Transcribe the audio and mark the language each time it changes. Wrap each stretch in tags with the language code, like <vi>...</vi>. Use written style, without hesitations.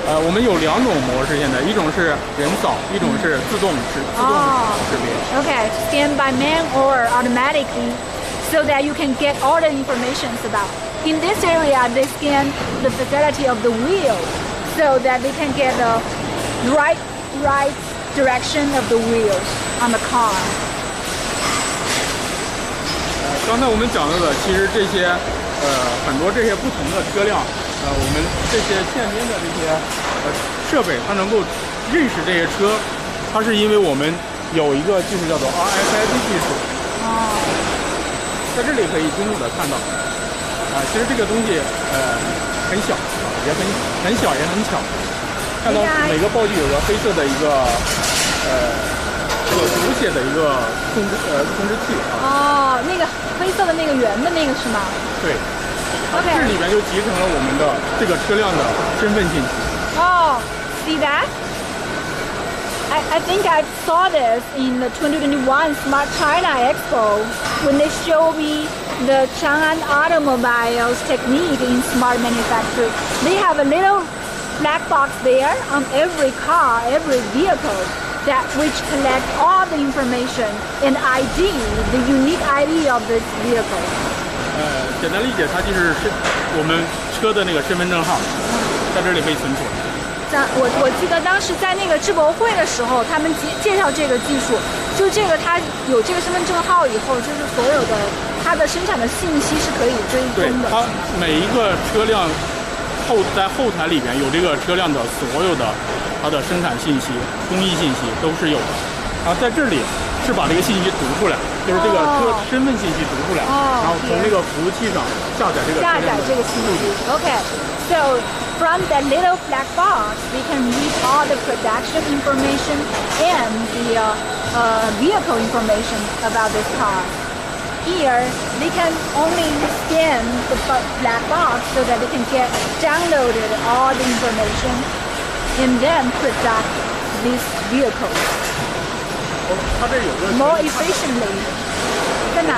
<zh>我们有两种模式，现在一种是人扫，一种是自动识别。</zh> <en>Okay, scan by man or automatically, so that you can get all the information about. In this area, they scan the facility of the wheel, so that they can get the right direction of the wheels on the car.</en> <zh>刚才我们讲到的，其实这些，很多这些不同的车辆，我们这些现金的这些设备，它能够认识这些车，它是因为我们有一个技术叫做 RFID 技术。在这里可以清楚的看到，其实这个东西很小，也很小也很巧，看到每个报具有个黑色的一个这个读写的一个控制器啊。那个黑色的那个圆的那个是吗？对。</zh> <en>OK。</en> <zh>这里面就集成了我们的这个车辆的身份信息。</zh> <en>See that? I think I saw this in the 2021 Smart China Expo when they show me the Chang'an Automobile's technique in smart manufacturing. They have a little black box there on every car, every vehicle, that which collect all the information and ID, the unique ID of this vehicle.</en> <zh>简单理解，它就是我们车的那个身份证号，在这里被存储。我记得当时在那个智博会的时候，他们介绍这个技术，就这个它有这个身份证号以后，就是所有的它的生产的信息是可以追踪的。对，它每一个车辆在后台里边有这个车辆的所有的它的生产信息、工艺信息都是有的。然后在这里是把这个信息读出来，就是这个车身份信息读出来，然后从这个服务器上下载这个信息。</zh> <en>OK， so。 From that little black box, we can read all the production information and the vehicle information about this car. Here, they can only scan the black box so that they can get downloaded all the information and then product this vehicle more efficiently.</en>